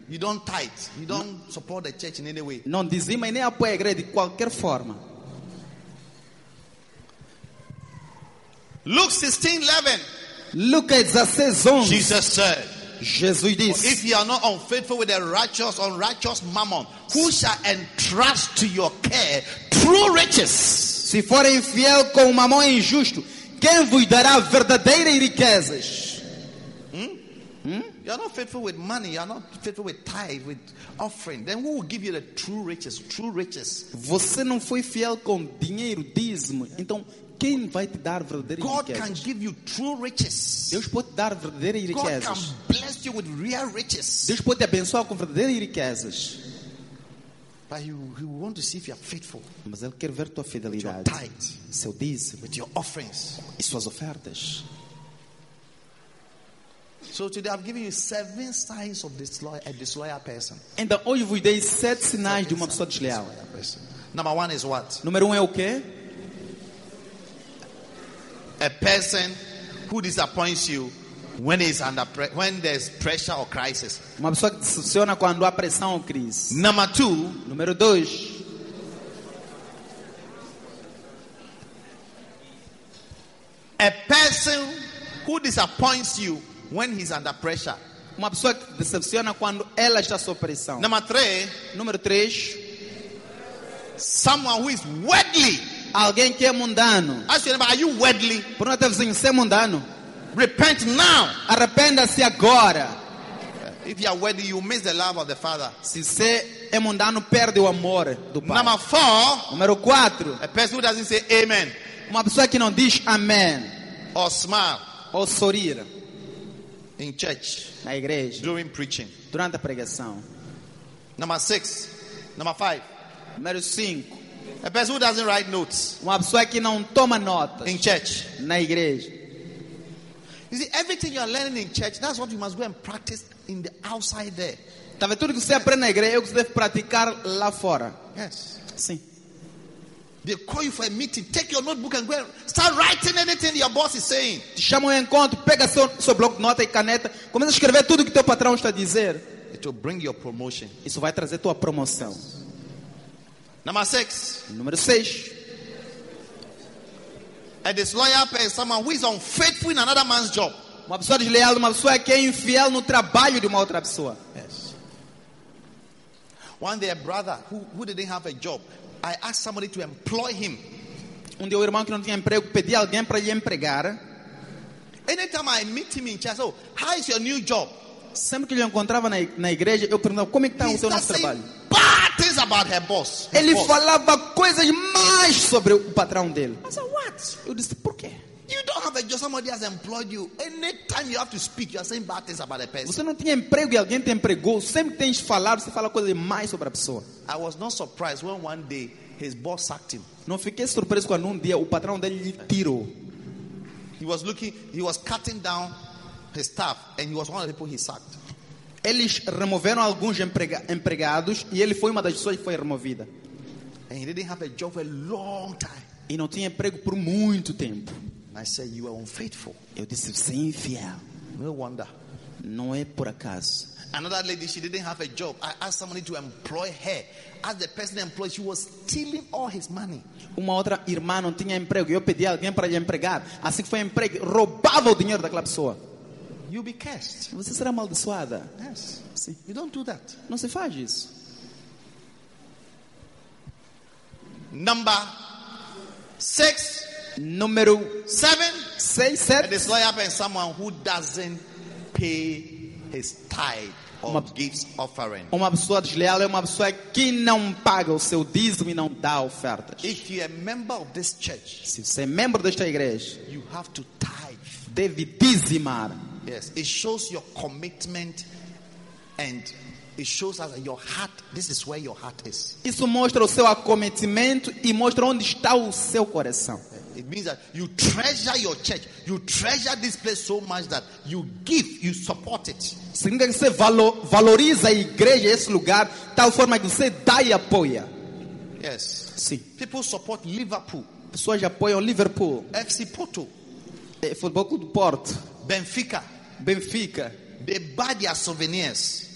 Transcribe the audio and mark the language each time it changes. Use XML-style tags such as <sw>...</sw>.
<en>you don't tithe, you don't support the church in any way.</en> <pt>Não dizima e nem apoia a igreja de qualquer forma.</pt> <en>Luke 16:11. Luke 16:11. Jesus said.</en> <pt>Jesus disse,</pt> <en>if you are not unfaithful with a righteous, unrighteous mammon, who shall entrust to your care true riches?</en> <pt>Se for infiel com uma mão injusto, quem vos dará verdadeiras riquezas?</pt> <en>You are not faithful with money. You are not faithful with tithe, with offering. Then who will give you the true riches? True riches.</en> <pt>Você não foi fiel com dinheiro, dízimo. Então quem vai te dar verdadeiras</pt> <en>God</en> <pt>riquezas?</pt> <en>God can give you true riches.</en> <pt>Deus pode te dar verdadeiras</pt> <en>God</en> <pt>riquezas.</pt> <en>God can bless you with real riches.</en> <pt>Deus pode te abençoar com verdadeiras riquezas.</pt> <en>But he want to see if you are faithful.</en> <pt>Mas ele quer ver tua fidelidade.</pt> <en>With your tithe,</en> <pt>seu dízimo,</pt> <en>with your offerings,</en> <pt>e suas ofertas.</pt> <en>So today I've given you 7 signs of a disloyal person.</en> <pt>Então hoje vos dei 7 sinais de uma pessoa desleal.</pt> <en>Number 1 is what?</en> <pt>Número 1 é o quê?</pt> <en>a person who disappoints you when he's under when there's pressure or crisis.</en> <pt>Uma pessoa que decepciona quando há pressão ou crise.</pt> <en>Number two.</en> <pt>Número dois.</pt> <en>A person who disappoints you when he's under pressure.</en> <pt>Uma pessoa que decepciona quando ela está sob pressão.</pt> <en>Number three.</en> <pt>Número três.</pt> <en>Someone who is worldly.</en> <pt>Alguém que é mundano.</pt> <en>Ask yourself, are you worldly?</en> <pt>Por não ter vizinho, você é mundano?</pt> <en>Repent now.</en> <pt>Arrependa-se agora.</pt> <en>If you are worldly, you miss the love of the Father.</en> <pt>Se você é mundano, perde o amor do Pai.</pt> <en>Number four.</en> <pt>Número quatro.</pt> <en>A person who doesn't say amen.</en> <pt>Uma pessoa que não diz amém.</pt> <en>Or smile.</en> <pt>Ou sorrir.</pt> <en>In church.</en> <pt>Na igreja.</pt> <en>During preaching.</en> <pt>Durante a pregação.</pt> <en>Number six. Number five.</en> <pt>Número cinco.</pt> <en>A person who doesn't write notes.</en> <pt>Uma pessoa que não toma notas.</pt> <en>In church.</en> <pt>Na igreja.</pt> <en>You see, everything you are learning in church, that's what you must go and practice in the outside there.</en> <pt>Tá vendo tudo que você aprende na igreja, é o que você deve praticar lá fora.</pt> <en>Yes.</en> <pt>Sim.</pt> <en>They call you for a meeting. Take your notebook and go and start writing anything your boss is saying.</en> <pt>Te chamam em encontro, pega seu bloco de nota e caneta, começa a escrever tudo que teu patrão está a dizer.</pt> <en>It will bring your promotion.</en> <pt>Isso vai trazer tua promoção.</pt> <en>Yes. Number six.</en> <pt>Número seis.</pt> <en>A disloyal person, someone who is unfaithful in another man's job.</en> <pt>Uma pessoa desleal, uma pessoa que é infiel no trabalho de uma outra pessoa.</pt> <en>Yes. One day, a brother who didn't have a job. I asked somebody to employ him.</en> <pt>Um dia o irmão que não tinha emprego pedi alguém para lhe empregar.</pt> <en>Anytime I meet him in church, so how is your new job?</en> <pt>Sempre que ele encontrava na igreja, eu perguntava como é que está o seu novo trabalho.</pt> <en>Bad things about her boss.</en> <pt>Ele falava coisas mais sobre o patrão dele.</pt> <en>I said what?</en> <pt>Eu disse por quê?</pt> <en>You don't have a job. Somebody has employed you. Anytime you have to speak, you are saying bad things about a person.</en> <pt>Você não tinha emprego e alguém te empregou. Sempre que tens de falar, você fala coisas demais sobre a pessoa.</pt> <en>I was not surprised when one day his boss sacked him.</en> <pt>Não fiquei surpreso quando dia o patrão dele lhe tirou.</pt> <en>He was cutting down his staff, and he was one of the people he sacked.</en> <pt>Eles removeram alguns empregados e ele foi uma das pessoas que foi removida.</pt> <en>And he didn't have a job for a long time.</en> <pt>E não tinha emprego por muito tempo.</pt> <en>I said, you are unfaithful.</en> <pt>Eu disse, você é infiel.</pt> <en>No wonder.</en> <pt>Não é por acaso.</pt> <en>Another lady, she didn't have a job. I asked somebody to employ her. As the person employed, she was stealing all his money.</en> <pt>Uma outra irmã não tinha emprego. Eu pedi alguém para lhe empregar. Assim que foi emprego, roubava o dinheiro daquela pessoa.</pt> <en>You'll be cursed.</en> <pt>Você será amaldiçoada.</pt> <en>Yes.</en> <pt>Sim.</pt> <en>You don't do that.</en> <pt>Não se faz isso.</pt> <en>Number six.</en> <pt>Número</pt> <en>7. Say 7. A disloyal person, someone who doesn't pay his tithe or gives offering.</en> <pt>Uma pessoa desleal é uma pessoa que não paga o seu dízimo e não dá ofertas.</pt> <en>If you are a member of this church,</en> <pt>se você é membro desta igreja,</pt> <en>you have to tithe.</en> <pt>Deve dizimar.</pt> <en>Yes, it shows your commitment and it shows us your heart. This is where your heart is.</en> <pt>Isso mostra o seu acometimento e mostra onde está o seu coração.</pt> <en>It means that you treasure your church. You treasure this place so much that you give, you support it.</en> <pt>Significa que você valoriza a igreja, esse lugar, tal forma que você dá e apoia.</pt> <en>Yes.</en> <pt>Sim.</pt> <en>People support Liverpool.</en> <pt>Pessoas apoiam Liverpool.</pt> <en>FC Porto.</en> <pt>É, Futebol Clube do Porto.</pt> <en>Benfica.</en> <pt>Benfica.</pt> <en>They buy their souvenirs.</en>